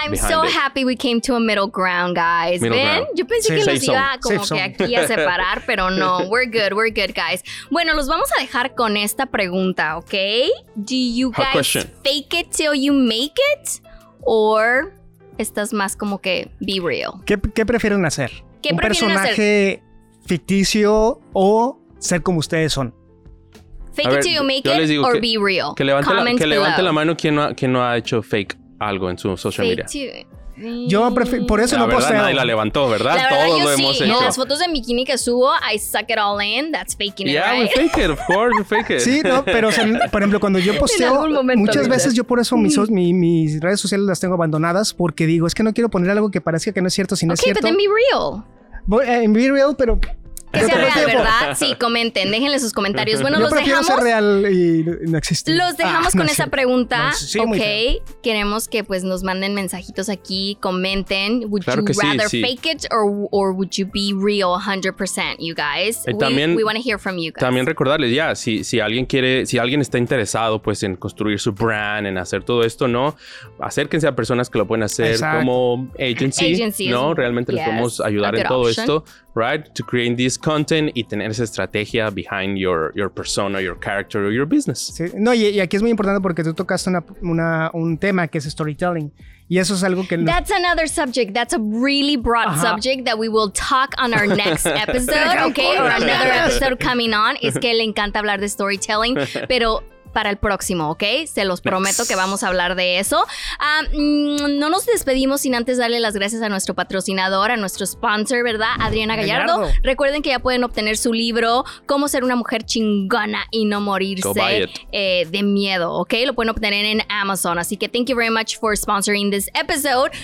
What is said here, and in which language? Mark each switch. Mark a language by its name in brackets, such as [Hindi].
[English] I'm so happy we came to a middle ground, guys. [Spanish] ¿Ven? Yo pensé que los iba como que aquí a separar, pero no. We're good, guys. Bueno, los vamos a dejar con esta pregunta, ¿ok? [English] Do you guys fake it till you make it? [Spanish] Or estás más como que be real. ¿Qué prefieren hacer? ¿Un personaje ficticio o ser como ustedes son? [English] Fake it till you make it or be real. [Spanish] Que levante la mano quien no ha hecho fake algo en su social media. Yo prefiero, por eso no posteo. Nadie la levantó, ¿verdad? Todos lo hemos hecho. [English] Las fotos de bikini que subo, I suck it all in. That's faking it. Yeah, right? We fake it, of course, we fake it. [Spanish] Sí, no, pero o sea, por ejemplo, cuando yo posteo, muchas veces yo por eso mis redes sociales las tengo abandonadas porque digo, es que no quiero poner algo que parezca que no es cierto, sino es cierto. [English] Okay, but then be real. Be real, pero. [Spanish] Que sea real, ¿verdad? Sí, comenten, déjenle sus comentarios. Bueno, yo los dejamos. Ser real y no existe. Los dejamos con esa pregunta. Ok. Queremos que pues nos manden mensajitos aquí, comenten. [English] Would [Spanish] claro [English] you rather [Spanish] sí. [English] fake it or would you be real 100%, you guys? We want to hear from you guys. [Spanish] También recordarles, ya, si alguien está interesado pues en construir su brand, en hacer todo esto, ¿no? Acérquense a personas que lo pueden hacer. Exacto. Como agency, ¿no? Realmente les podemos ayudar en todo esto. [English] Right, to create this content y tener esa estrategia behind your persona, your character or your business. [Spanish] Sí. No, y aquí es muy importante porque tú tocaste un tema que es storytelling. Y eso es algo que no. [English] That's another subject. That's a really broad subject that we will talk on our next episode, okay? Or another episode coming on. [Spanish] Es que le encanta hablar de storytelling, pero para el próximo, ¿ok? Se los prometo que vamos a hablar de eso. No nos despedimos sin antes darle las gracias a nuestro patrocinador, a nuestro sponsor, ¿verdad? Adriana Gallardo. Recuerden que ya pueden obtener su libro Cómo ser una mujer chingona y no morirse de miedo, ¿ok? Lo pueden obtener en Amazon. [English] Así que thank you very much for sponsoring this episode.